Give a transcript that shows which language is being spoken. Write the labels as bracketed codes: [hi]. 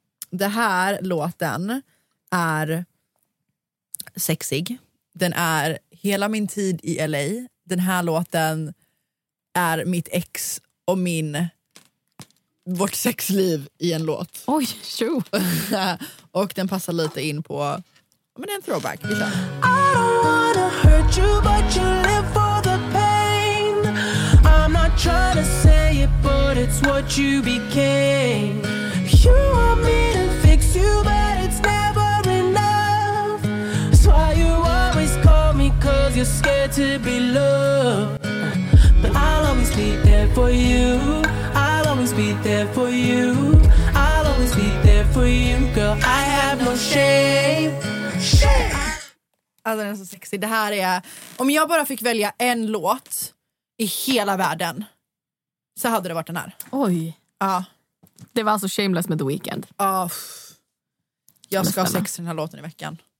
[sv] Det här låten är sexig. Den är hela min tid i LA. Den här låten är mitt ex och min vårt sexliv i en låt. Oj, tjo. Och den passar lite in på men det är en throwback. [en] I don't wanna hurt you but you live for the pain. I'm not trying to say it but it's what you became. You want me to fix you but it's never enough. That's why you always call me cause you're scared to be loved. But I'll always be there for you. I'll always be there for you. I'll always be there for you. Girl, I have no shame. [sv] Alltså den är så sexy. Det här är, om jag bara fick välja en låt i hela världen så hade det varit den här. Oj. Ja. Det var alltså Shameless med The Weeknd. Ja. Jag ska ha sex i den här låten i veckan.